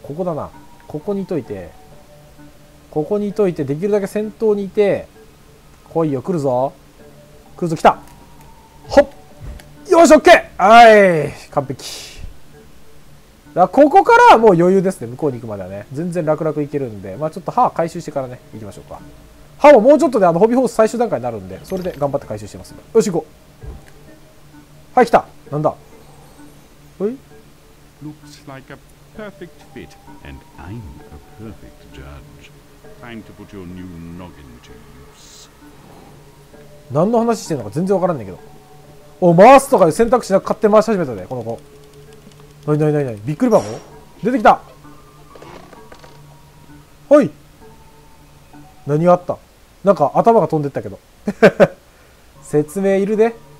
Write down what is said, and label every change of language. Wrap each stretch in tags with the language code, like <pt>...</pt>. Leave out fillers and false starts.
<ja>ここだな、ここにいといて、ここにいといて、できるだけ先頭にいて、来いよ、来るぞ、来るぞ、来た、ほっ、よし、 OK、 はい、完璧だ。ここからはもう余裕ですね、向こうに行くまではね。全然楽々行けるんで、まぁ、ちょっと歯回収してからね、行きましょうか。歯ももうちょっとで、ね、あのホビーホース最終段階になるんで、それで頑張って回収してます。よし、行こう。はい、来た。なんだ。ほい。</ja> <en>Looks like a perfect fit, and I'm a perfect judge. Time to put your new noggin to use.</en> <ja>何の話してんのか全然わからんねんけど。お、回すとかで選択肢なく勝手回し始めたね、この子。なになになになに、びっくり箱出てきた。ほい、何があった、なんか頭が飛んでったけど説明いるで。</ja>